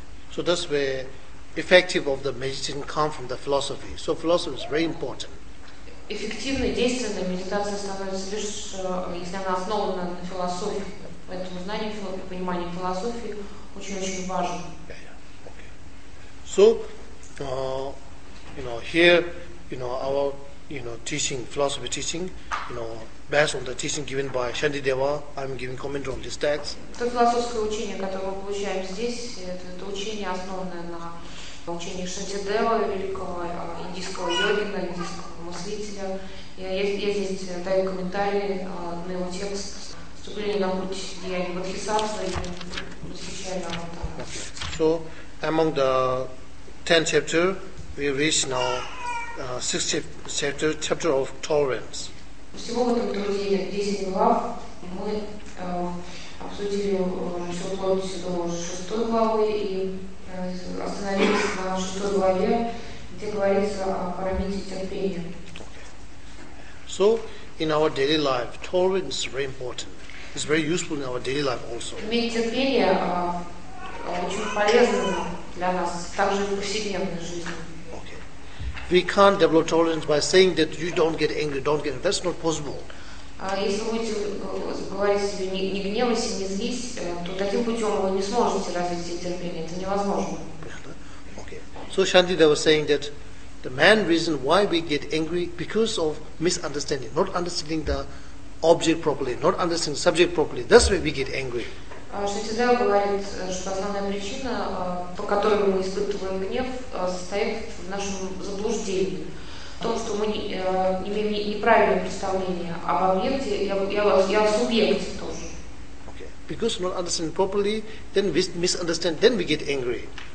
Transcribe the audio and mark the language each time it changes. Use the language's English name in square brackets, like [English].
[English] So that's where effective of the meditation comes from the philosophy. So philosophy is very important. [Russian] Эффективной, действенной медитация становится лишь, если она основана на философии. Поэтому знание и понимание философии очень-очень важно. [English] Yeah. Okay. So, you know, here, you know, our, you know, teaching, philosophy teaching, you know, based on the teaching given by Shantideva, I'm giving comment on this text. [Russian] То философское учение, которое мы получаем здесь, это учение, основанное на учении Шантидева, великого индийского йогина, индийского мыслителя. Я здесь даю комментарии на его текст. Вступление на путь деяния Бодхисаттвы и посвящение нам там. [English] Okay. So, among the 10 chapter, we reach now 6th chapter of tolerance. [Russian] Всего в этом труде 10 глав. Мы обсудили всю плоть до 6 главы и остановились на 6 главе, где говорится о парамите терпения. [English] So, in our daily life, tolerance is very important. It's very useful in our daily life also. [Russian] Иметь терпение очень полезно для нас, также в повседневной жизни. [English] We can't develop tolerance by saying that you don't get angry, don't get angry. That's not possible. [Russian] Если вы будете говорить себе не гневайся, не злись, то таким путем вы не сможете развить терпение. Это невозможно. [English] Okay. So Shantideva was saying that the main reason why we get angry because of misunderstanding, not understanding the object properly, not understanding the subject properly. That's why we get angry. [Russian] Шантидева говорит, что основная причина, по которой мы испытываем гнев, состоит в нашем заблуждении. В том, что мы имеем неправильное представление об объекте, я о субъекте тоже. [English] Okay. Because not understanding properly, then we misunderstand, then we get angry.